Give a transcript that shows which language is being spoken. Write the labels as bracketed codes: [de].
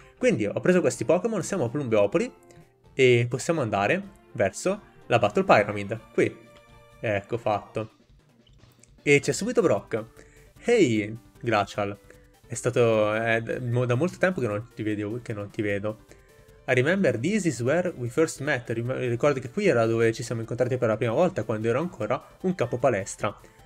[it] Quindi ho preso questi Pokémon, siamo a Plumbeopoli. E possiamo andare verso la Battle Pyramid, qui. Ecco fatto. E c'è subito Brock. Ehi, hey, Glacial. È mo da molto tempo che non ti vedo. [en] I remember this is where we first met. [it] Ricordo che qui era dove ci siamo incontrati per la prima volta, quando ero ancora un capo palestra.